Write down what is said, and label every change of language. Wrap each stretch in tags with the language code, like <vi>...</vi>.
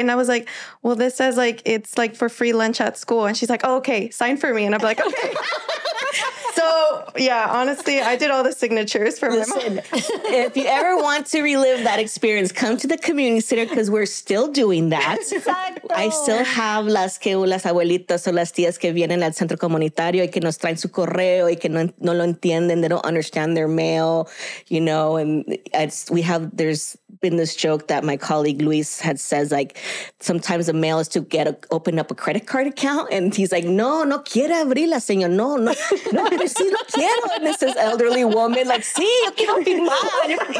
<en>And I was like, well, this says like, it's like for free lunch at school. And she's like, oh, okay, sign for me. And I'm like, okay. So yeah, honestly, I did all the signatures for my mom. If you ever want to relive that experience, come to the community center because we're still doing that.</en> <es>Exacto.</es> <en>I still have</en> <es>las abuelitas o las tías que vienen al centro comunitario y que nos traen su correo y que no lo entienden.</es> <en>They don't understand their mail, you know, and there's been this joke that my colleague Luis had says, like, sometimes a mail is to get open up a credit card account. And he's like,</en> <es>no, no quiere abrirla, señor. No, no, no, pero sí lo quiero.</es> <en>And this is elderly woman, like,</en> <es>sí, yo quiero firmar.</es>